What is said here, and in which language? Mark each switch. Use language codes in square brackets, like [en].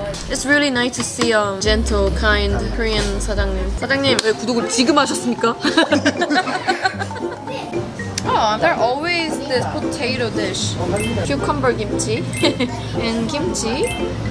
[en] It's really nice to see a gentle, kind Korean 사장님. [ko] 사장님, 왜 구독을 지금 하셨습니까? [en] Oh, there are always this potato dish, cucumber kimchi, and kimchi.